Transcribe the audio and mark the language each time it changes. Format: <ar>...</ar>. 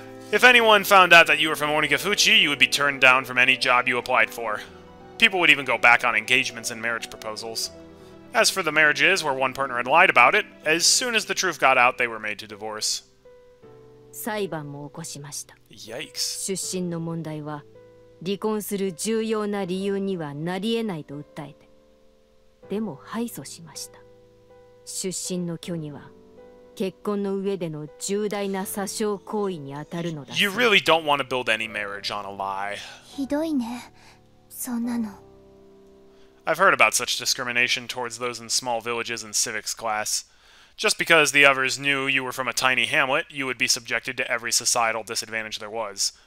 <en>If anyone found out that you were from Onigafuchi, you would be turned down from any job you applied for. People would even go back on engagements and marriage proposals. As for the marriages where one partner had lied about it, as soon as the truth got out, they were made to divorce. Yikes.</en> <ja>出身の問題は離婚する重要な理由にはなり得ないと訴えて、でも敗訴しました。出身の虚偽は</ja> <en>You really don't want to build any marriage on a lie.</en> <ja>ひどいね、そんなの。</ja> <en>I've heard about such discrimination towards those in small villages and civics class. Just because the others knew you were from a tiny hamlet, you would be subjected to every societal disadvantage there was.</en>